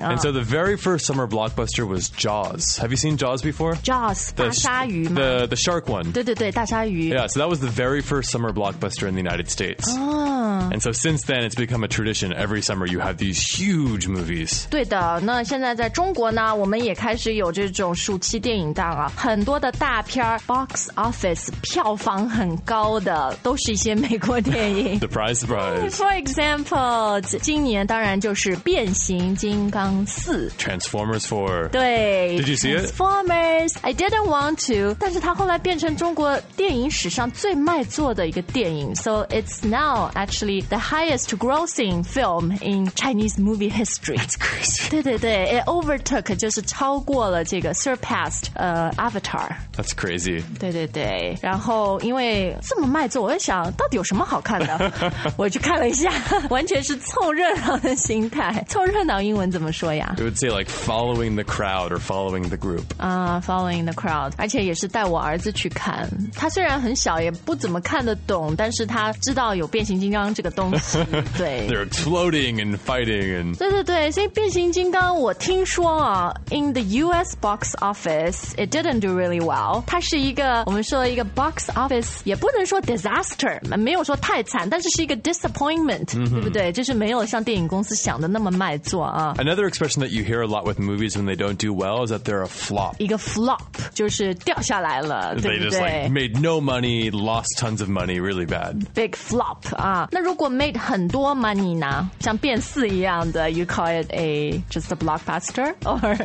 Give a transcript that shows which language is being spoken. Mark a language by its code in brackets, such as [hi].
[en] 啊。And so the very first summer blockbuster was Jaws. Have you seen Jaws before? [zh] Jaws, 大鲨鱼吗 [en] the shark one. [zh] 对对对，大鲨鱼。 [en] Yeah, so that was the very first summer blockbuster in the United States. And so since then, it's become a tradition every summer. You have these huge movies. [zh] 对的，那现在在中国呢，我们也开始有这种暑期电影档啊，很多的大片 box office 票房很高的，都是一些美国电影。 [en] Surprise, surprise. For example, [zh] 今年当然就是变形金刚四 [en] Transformers 4. [zh] 对 [en] Did you see it? Transformers. I didn't want to. [zh] 但是它后来变成中国电影史上最卖座的一个电影 [en] So it's now actually the highest grossing film in Chinese movie history. That's crazy. [zh] 对对对 [en] it overtook, [zh] 就是超过了这个 surpassed, Avatar. [en] That's crazy. [zh] 对对对然后因为这么卖座我想到底有什么好看的我去看了一下完全是凑热闹的心态。凑热闹英文怎么说呀 [en] It would say like following the crowd or following the group. Following the crowd. [zh] 而且也是带我儿子去看。他虽然很小也不怎么看得懂但是他知道有变形金刚这个东西。对。 [en] They're exploding and fighting and [zh] 对对对所以变形金刚我听说啊 [en] in the US box office it didn't do really well [zh] 它是一个我们说一个 box office 也不能说 disaster 没有说太惨但是是一个 disappointment、mm-hmm. 对不对就是没有像电影公司想的那么卖座啊 [en] Another expression that you hear a lot with movies when they don't do well is that they're a flop [zh] 一个 flop 就是掉下来了 [en] They [zh] 对不对 [en] just like made no money lost tons of money really bad Big flop [zh] 啊那如果 [en] made [zh] 很多 [en] money [zh] 呢像变四一样的 [en] you call it a just a blockbuster or